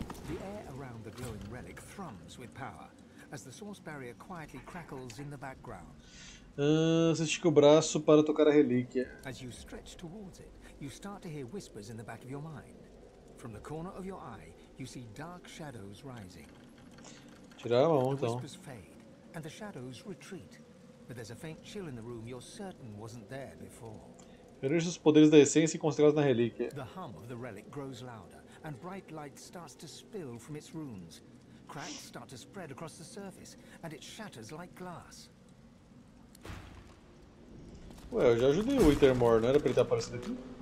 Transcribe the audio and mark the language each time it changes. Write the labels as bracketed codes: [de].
[en] The air around the glowing relic thrums with power as the source barrier quietly crackles in the background. [pt] Você estica o braço para tocar a relíquia. [en] As you stretch towards it, you start to hear whispers in the back of your mind. From the corner of your eye, you see dark shadows rising. [pt] Tirar a mão, então. [en] The whispers fade and the shadows retreat, but there's a faint chill in the room you're certain wasn't there before. [pt] Perige os poderes da essência concentrados na relíquia. [en] The hum of the relic grows louder, and bright light starts to spill from its runes. Cracks start to spread across the surface, and it shatters like glass. [pt] Ué, eu já ajudei o Wintermore, não era pra ele estar aparecendo aqui?